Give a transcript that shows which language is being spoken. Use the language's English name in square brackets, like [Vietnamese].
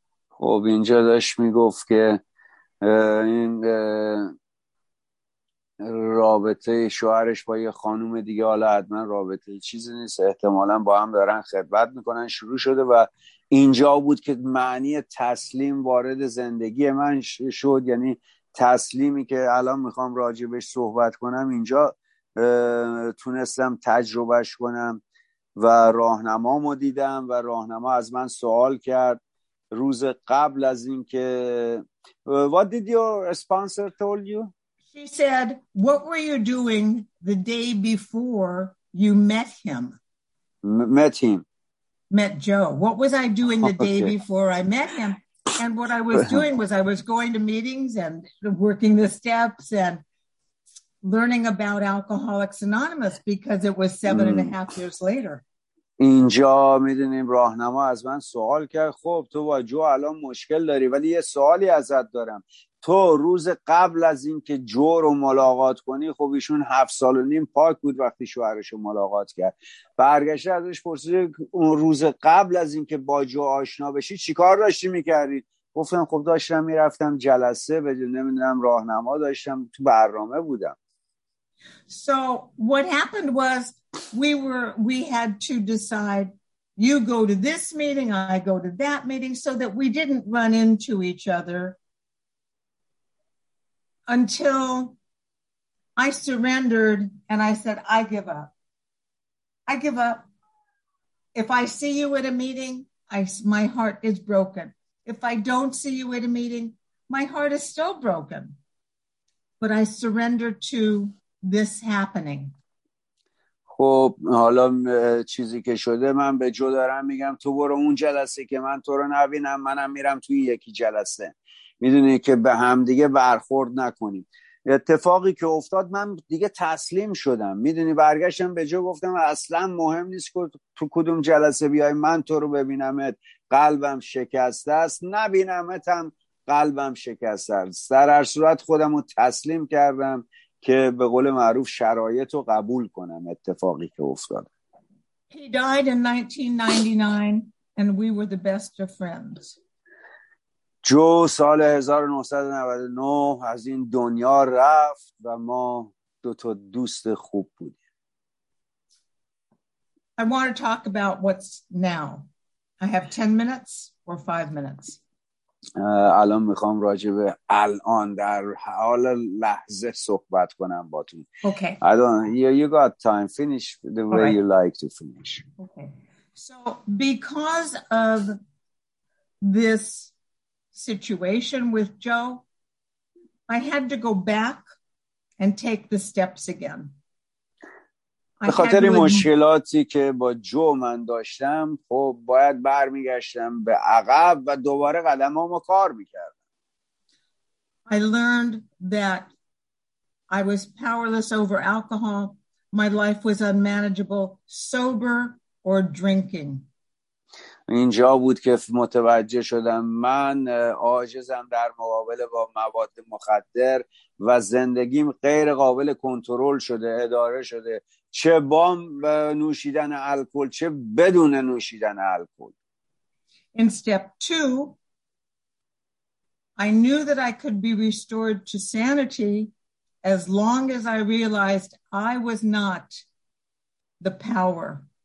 [Persian] خب اینجا داشت میگفت که این رابطه شوهرش با یه خانوم دیگه، حالا حتما رابطه چیزی نیست، احتمالا با هم دارن خدمت میکنن شروع شده و اینجا بود که معنی تسلیم وارد زندگی من شد، یعنی تسلیمی که الان میخوام راجبش صحبت کنم اینجا تونستم تجربهش کنم و راهنمامو دیدم و راهنما از من سوال کرد روز قبل از این که [English] What did your sponsor told you? She said, what were you doing the day before you met him? Met Joe. What was I doing the day before I met him? And what I was doing was I was going to meetings and working the steps and learning about Alcoholics Anonymous because it was 7.5 years later. [Persian] اینجا میدونیم راهنما از من سوال کرد، خب تو با جو الان مشکل داری، ولی یه سوالی ازت دارم، تو روز قبل از این که جو رو ملاقات کنی، خب ایشون 7.5 سال پاک بود وقتی شوهرش رو ملاقات کرد، برگشته ازش پرسید اون روز قبل از این که با جو آشنا بشی چیکار داشتی میکردی؟ گفتم خب داشتم میرفتم جلسه بدون نمیدونم راهنما داشتم تو برنامه بودم. [English] So what happened was we had to decide, you go to this meeting, I go to that meeting, so that we didn't run into each other until I surrendered and I said, I give up. If I see you at a meeting, my heart is broken. If I don't see you at a meeting, my heart is still broken. But I surrender to this happening. [Persian] خب حالا چیزی که شده من به جو دارم میگم تو برو اون جلسه که من تو رو نبینم، منم میرم توی یکی جلسه، میدونی که به هم دیگه برخورد نکنیم. اتفاقی که افتاد من دیگه تسلیم شدم، میدونی برگشتم به جو گفتم اصلا مهم نیست که تو کدوم جلسه بیای، من تو رو ببینمت قلبم شکسته است، نبینمت هم قلبم شکسته است. در هر صورت خودم رو تسلیم کردم که به قول معروف شرایط رو قبول کنم اتفاقی که افتاد. [English] He died in 1999 and we were the best of friends. [Persian] جو سال 1999 از این دنیا رفت و ما دو تا دوست خوب بودیم. [English] I want to talk about what's now. I have 10 minutes or 5 minutes. [Persian] الان میخوام راجع به الان در حال لحظه صحبت کنم با تون. [English] Okay. You got time. Finish the way right. You like to finish. Okay. So because of this situation with Joe, I had to go back and take the steps again. [Persian] به خاطر مشکلاتی که با جو من داشتم خب باید برمیگشتم به عقب و دوباره قدمامو کار میکردم. [English] I learned that I was powerless over alcohol. My life was unmanageable sober or drinking. [Persian] اینجا بود که متوجه شدم من عاجزم در مقابل با مواد مخدر و زندگیم غیر قابل کنترل شده، اداره شده، چه با نوشیدن الکل چه بدون نوشیدن الکل. [English] In step 2 I knew that I could be restored to sanity as long as I realized I was not the power.